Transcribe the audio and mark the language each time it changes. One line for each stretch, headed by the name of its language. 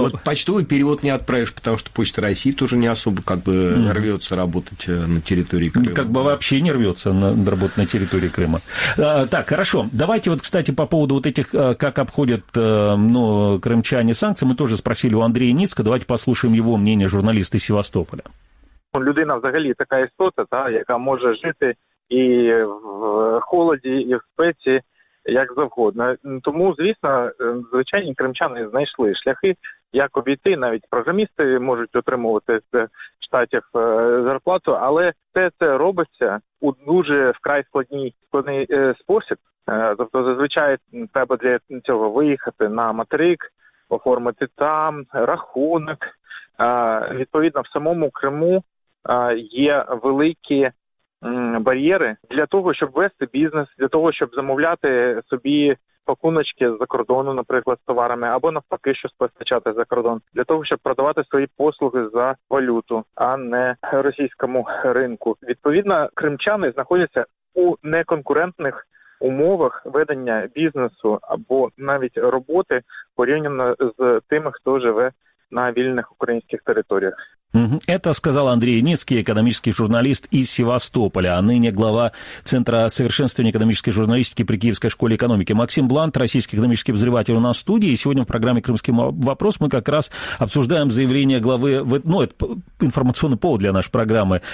Russian: Вот почтовый перевод не отправишь, потому что Почта России тоже не особо как бы рвется работать на территории Крыма. Как бы вообще не рвется работать на территории Крыма. Так, хорошо. Давайте вот, кстати, по поводу вот этих, как обходят, ну, крымчане санкции, мы тоже спросили у Андрея Ницка. Давайте послушаем его мнение, журналиста из Севастополя.
Ukrainian: Людина взагалі такая істота, да, яка може жити і в холоді, і в спеці. Як завгодно. Тому, звісно, звичайні кримчани знайшли шляхи як обійти. Навіть програмісти можуть отримувати в Штатах зарплату, але це робиться у дуже вкрай складний спосіб. Тобто, зазвичай треба для цього виїхати на материк, оформити там рахунок. Відповідно, в самому Криму є великі бар'єри для того, щоб вести бізнес, для того, щоб замовляти собі пакуночки з-за кордону, наприклад, з товарами, або навпаки, щось постачати за кордон, для того, щоб продавати свої послуги за валюту, а не російському ринку. Відповідно, кримчани знаходяться у неконкурентних умовах ведення бізнесу або навіть роботи порівняно з тими, хто живе на вільних українських територіях.
Russian: Это сказал Андрей Яницкий, экономический журналист из Севастополя, а ныне глава Центра совершенствования экономической журналистики при Киевской школе экономики. Максим Блант, российский экономический обозреватель, у нас в студии. И сегодня в программе «Крымский вопрос» мы как раз обсуждаем заявление главы, ну, это информационный повод для нашей программы.